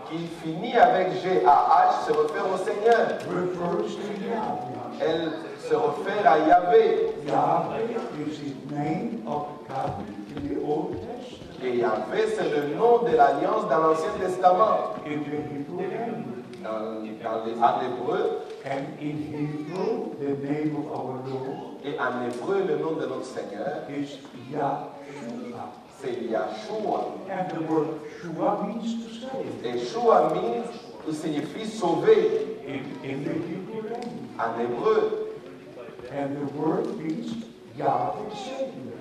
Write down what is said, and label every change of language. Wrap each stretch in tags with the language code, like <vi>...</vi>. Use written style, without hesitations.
<fr>Qui finit avec G-A-H se réfère au Seigneur.</fr> <en>Refers to Yahweh.</en> <fr>Elle se réfère à Yahvé.</fr> <en>Yahweh is the name of covenant in the Old Testament.</en> <fr>Et Yahvé, c'est le nom de l'alliance dans l'Ancien Testament.</fr> <en>In the Hebrew</en> <fr>dans en hébreu.</fr> <en>And in Hebrew, the name of our Lord.</en> <fr>Et en hébreu, le nom de notre Seigneur</fr> <en>is Yahshua.</en> <fr>C'est Yahshua.</fr> <en>And the word Shua means to save.</en> <fr>Et Shua</fr> <en>means to</en> <fr>signifie sauver.</fr> <en>In the Hebrew language.</en> <fr>En hébreu.</fr> <en>And the word means Yahweh Savior.</en>